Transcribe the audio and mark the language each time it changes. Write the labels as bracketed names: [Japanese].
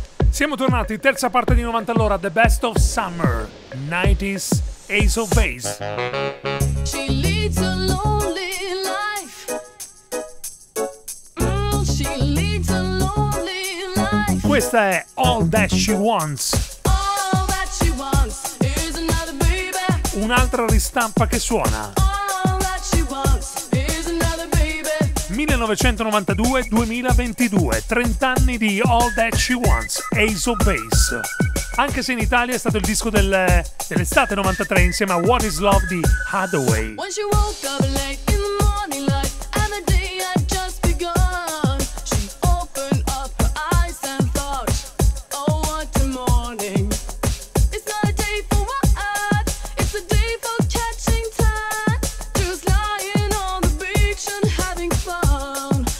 [Italian] Siamo tornati, terza parte di 90 all'ora, The Best of Summer, 90s, Ace of Base. [English] She leads a lonely life. She leads a lonely life. [Italian] Questa è All That She Wants. [English] All that she wants is another baby. [Italian] Un'altra ristampa che suona. [English] All that she wants is another baby. [Italian] 1992-2022, 30 anni di All That She Wants, Ace of Base. Anche se in Italia è stato il disco dell'estate 93 insieme a What Is Love di Hathaway. [English] When she woke up late in the morning light and the day had just begun, she opened up her eyes and thought, oh what a morning. It's not a day for what, it's a day for catching time, just lying on the beach and having fun.